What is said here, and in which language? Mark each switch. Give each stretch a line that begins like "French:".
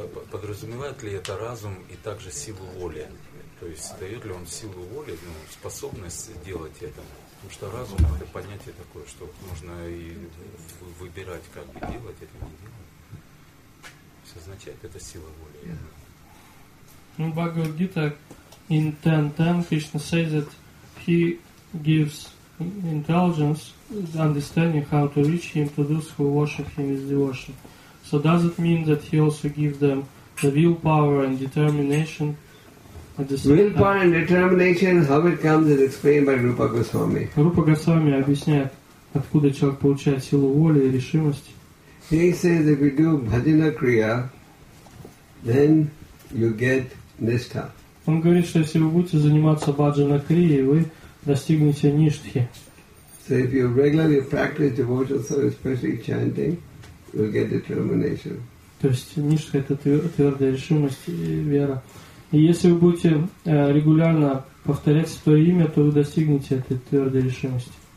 Russian: Подразумевает ли это разум и также силу воли? То есть дает ли он силу воли, ну, способность делать это? Потому что разум — это понятие такое, что можно и выбирать, как бы делать это, не делать. Все означает, это сила воли.
English: Ну, Бхагавад-гита in 10.10 Krishna says that he gives intelligence, understanding how to reach him to those who worship him with devotion. So does it mean that he also gives them the willpower and determination? Willpower and determination, how it comes is explained by Rupa Goswami.
Russian: Rupa Goswami объясняет, откуда человек получает силу воли и решимости.
English: He says if you do bhajana kriya, then you get nishtha.
Russian: Он говорит, что если вы будете заниматься bhajana kriya, вы достигнете ништхи.
English: So if you regularly practice devotional service, especially chanting, you'll get determination.
Russian: То есть ништха — это твердая решимость и вера. И если вы будете регулярно повторять свое имя, то вы достигнете этой твердой решимости.